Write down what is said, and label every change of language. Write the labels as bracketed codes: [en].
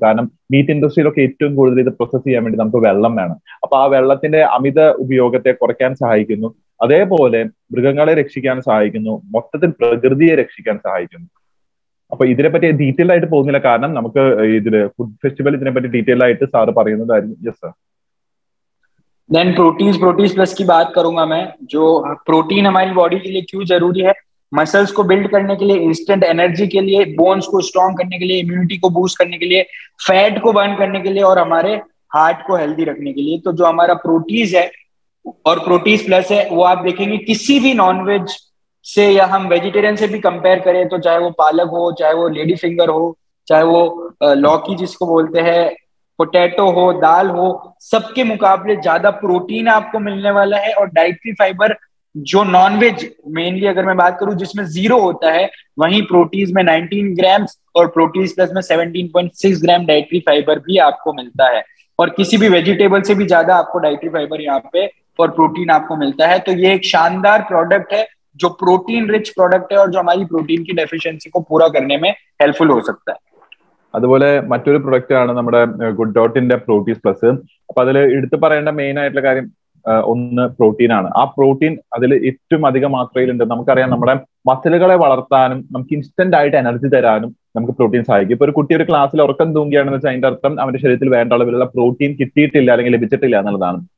[ml] കാരണം മീറ്റ് ഇൻഡസ്ട്രിയിലൊക്കെ ഏറ്റവും കൂടുതൽ ഇത് പ്രോസസ് ചെയ്യാൻ വേണ്ടി നമുക്ക് വെള്ളം വേണം. അപ്പൊ ആ വെള്ളത്തിന്റെ അമിത ഉപയോഗത്തെ കുറയ്ക്കാൻ സഹായിക്കുന്നു. അതേപോലെ മൃഗങ്ങളെ രക്ഷിക്കാൻ സഹായിക്കുന്നു, മൊത്തത്തിൽ പ്രകൃതിയെ രക്ഷിക്കാൻ സഹായിക്കുന്നു. അപ്പൊ ഇതിനെപ്പറ്റി ഡീറ്റെയിൽ ആയിട്ട് പോകുന്നില്ല, കാരണം നമുക്ക് ഇതില് ഫുഡ് ഫെസ്റ്റിവൽ ഇതിനെപ്പറ്റി ഡീറ്റെയിൽ ആയിട്ട് സാർ പറയുന്നതായിരിക്കും. [en] Yes sir. Then proteins, proteins plus [hi] की बात करूंगा मैं, जो protein हमारी body के लिए क्यों जरूरी है, मसल्स को बिल्ड करने के लिए, इंस्टेंट एनर्जी के लिए, बोन्स को स्ट्रॉन्ग करने के लिए, इम्यूनिटी को बूस्ट करने के लिए, फैट को बर्न करने के लिए और हमारे हार्ट को हेल्दी रखने के लिए। तो जो हमारा प्रोटीज है और प्रोटीज प्लस है वो आप देखेंगे किसी भी नॉनवेज से या हम वेजिटेरियन से भी कंपेयर करें तो चाहे वो पालक हो, चाहे वो लेडी फिंगर हो, चाहे वो लौकी जिसको बोलते हैं, पोटैटो हो, दाल हो, सबके मुकाबले ज्यादा प्रोटीन आपको मिलने वाला है। और डाइट्री फाइबर जो नॉनवेज मेनली अगर मैं बात करूं जिसमें जीरो होता है, वहीं प्रोटीज में 19 ग्राम्स और प्रोटीज प्लस में 17.6 ग्राम डाइट्री फाइबर भी आपको मिलता है। और किसी भी वेजिटेबल से भी ज्यादा आपको डाइट्री फाइबर यहाँ पे और प्रोटीन आपको मिलता है। तो ये एक शानदार प्रोडक्ट है जो प्रोटीन रिच प्रोडक्ट है और जो हमारी प्रोटीन की डेफिशिएंसी को पूरा करने में हेल्पफुल हो सकता है। [ml] അതുപോലെ മറ്റൊരു പ്രൊഡക്റ്റ് ആണ് നമ്മുടെ ഗുഡ് ഡോട്ടിന്റെ പ്രോട്ടീസ് പ്ലസ്. അപ്പൊ അതിൽ എടുത്തു പറയേണ്ട മെയിൻ ആയിട്ടുള്ള കാര്യം ഒന്ന് പ്രോട്ടീൻ ആണ്. ആ പ്രോട്ടീൻ അതിൽ ഏറ്റവും അധികം മാത്രയിലുണ്ട്. നമുക്കറിയാം നമ്മുടെ മസിലുകളെ വളർത്താനും നമുക്ക് ഇൻസ്റ്റന്റ് ആയിട്ട് എനർജി തരാനും നമുക്ക് പ്രോട്ടീൻ സഹായിക്കും. ഇപ്പൊ ഒരു കുട്ടി ഒരു ക്ലാസ്സിൽ ഉറക്കം തൂങ്ങിയാണെന്ന് വെച്ചാൽ അതിന്റെ അർത്ഥം അവന്റെ ശരീരത്തിൽ വേണ്ട അളവിലുള്ള പ്രോട്ടീൻ കിട്ടിയിട്ടില്ല അല്ലെങ്കിൽ ലഭിച്ചിട്ടില്ല എന്നുള്ളതാണ്.